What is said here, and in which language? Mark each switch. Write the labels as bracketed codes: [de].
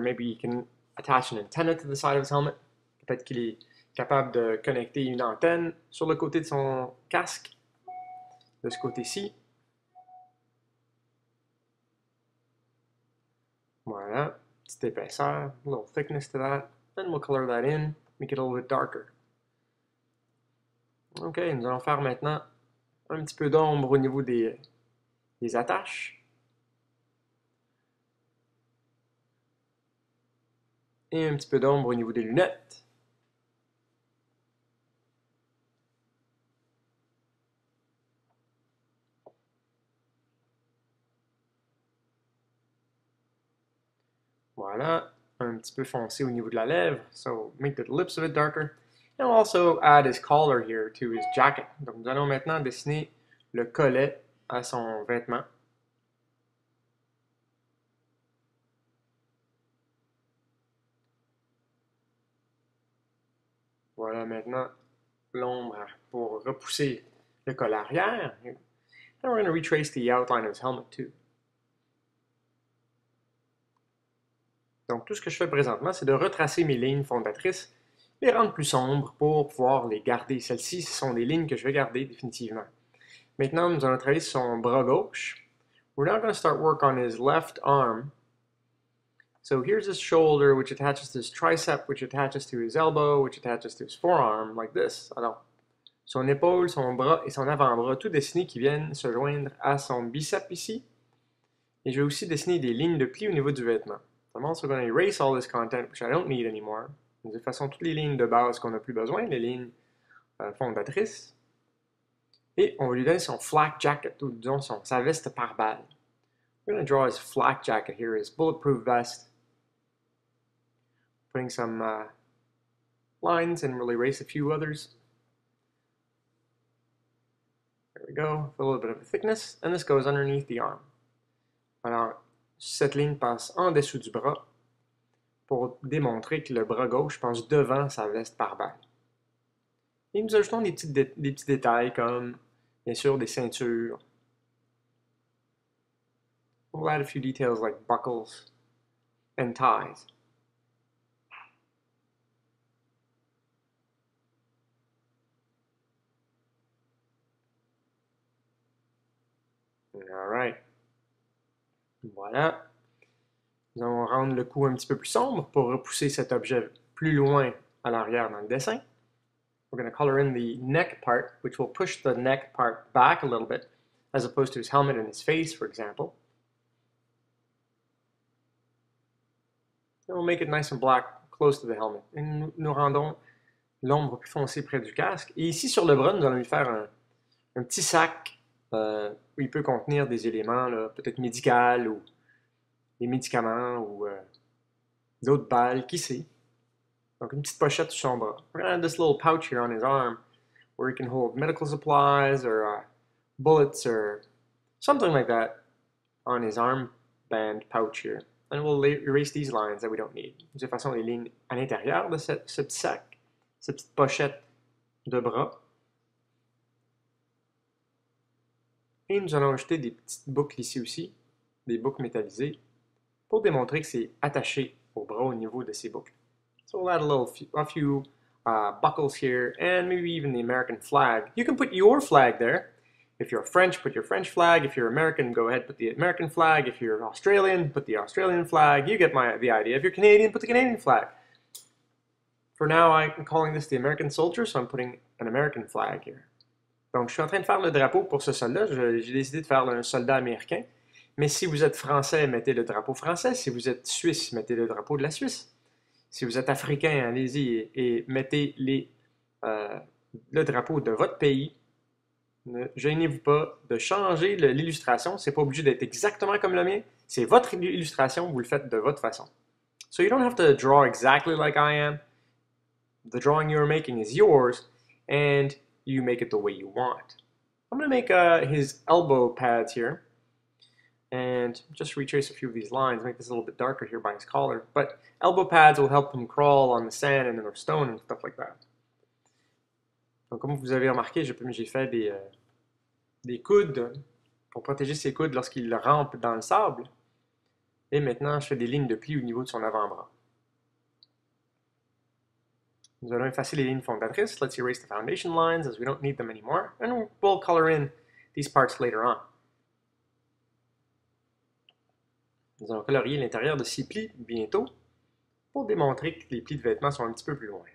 [en] Maybe he can attach an antenna to the side of his helmet. [fr] Peut-être qu'il est capable de connecter une antenne sur le côté de son casque, de ce côté-ci. Voilà, petite épaisseur, [en] a little thickness to that. And we'll color that in, make it a little bit darker. [fr] OK, nous allons faire maintenant un petit peu d'ombre au niveau des attaches. Et un petit peu d'ombre au niveau des lunettes. voilà, un petit peu foncé au niveau de la lèvre. [en] So, make the lips a bit darker. And also add his collar here to his jacket. [fr] Donc, nous allons maintenant dessiner le collet à son vêtement. Voilà maintenant l'ombre pour repousser le col arrière. [en] And we're going to retrace the outline of his helmet too. [fr] Donc tout ce que je fais présentement, c'est de retracer mes lignes fondatrices, les rendre plus sombres pour pouvoir les garder. Celles-ci, ce sont des lignes que je vais garder définitivement. Maintenant, nous allons travailler son bras gauche. [en] We're now going to start work on his left arm. So here's his shoulder, which attaches to his tricep, which attaches to his elbow, which attaches to his forearm, like this. [fr] Alors, son épaule, son bras et son avant-bras, tout dessiné qui viennent se joindre à son bicep ici. Et je vais aussi dessiner des lignes de plis au niveau du vêtement. [en] I'm also going to erase all this content, which I don't need anymore. [fr] De toute façon, toutes les lignes de base qu'on n'a plus besoin, les lignes fondatrices. Et on va lui donner son flak jacket, ou disons son, sa veste par balle. [en] We're going to draw his flak jacket here, his bulletproof vest. Putting some lines and we'll erase a few others. There we go, a little bit of a thickness. And this goes underneath the arm. [fr] Alors, cette ligne passe en dessous du bras pour démontrer que le bras gauche passe devant sa veste par balle. Et nous ajoutons des petits détails comme, bien sûr, des ceintures. [en] We'll add a few details like buckles and ties. All right. [fr] Voilà. Nous allons rendre le cou un petit peu plus sombre pour repousser cet objet plus loin à l'arrière dans le dessin. [en] We're going to color in the neck part, which will push the neck part back a little bit, as opposed to his helmet and his face, for example. We'll make it nice and black, close to the helmet. [fr] Et nous rendons l'ombre plus foncée près du casque. Et ici, sur le bras, nous allons lui faire un petit sac où il peut contenir des éléments, là, peut-être médical ou des médicaments ou d'autres balles, qui sait. Donc, une petite pochette sur son bras. [en] We're gonna have this little pouch here on his arm where he can hold medical supplies or bullets or something like that on his arm band pouch here. And we'll erase these lines that we don't need. [fr] De toute façon, les lignes à l'intérieur de ce petit sac, cette petite pochette de bras. Et nous allons ajouter des petites boucles ici aussi, des boucles métallisées, pour démontrer que c'est attaché au bras au niveau de ces boucles. [en] So we'll add a few buckles here, and maybe even the American flag. You can put your flag there. If you're French, put your French flag. If you're American, go ahead, put the American flag. If you're Australian, put the Australian flag. You get the idea. If you're Canadian, put the Canadian flag. For now, I'm calling this the American soldier, so I'm putting an American flag here. [fr] Donc, je suis en train de faire le drapeau pour ce soldat. J'ai décidé de faire un soldat américain. Mais si vous êtes français, mettez le drapeau français. Si vous êtes suisse, mettez le drapeau de la Suisse. Si vous êtes africain, allez-y et mettez le drapeau de votre pays. Ne gênez-vous pas de changer l'illustration. C'est pas obligé d'être exactement comme le mien. C'est votre illustration, vous le faites de votre façon. [en] So you don't have to draw exactly like I am. The drawing you're making is yours, and you make it the way you want. I'm going to make his elbow pads here, and just retrace a few of these lines, make this a little bit darker here by his collar. But elbow pads will help him crawl on the sand and the stone and stuff like that. [fr] Donc, comme vous avez remarqué, j'ai fait des coudes pour protéger ses coudes lorsqu'il rampe dans le sable. Et maintenant, je fais des lignes de pli au niveau de son avant-bras. Nous allons effacer les lignes fondatrices. [en] Let's erase the foundation lines as we don't need them anymore. And we'll color in these parts later on. [fr] Nous allons colorier l'intérieur de ces plis bientôt pour démontrer que les plis de vêtements sont un petit peu plus loin.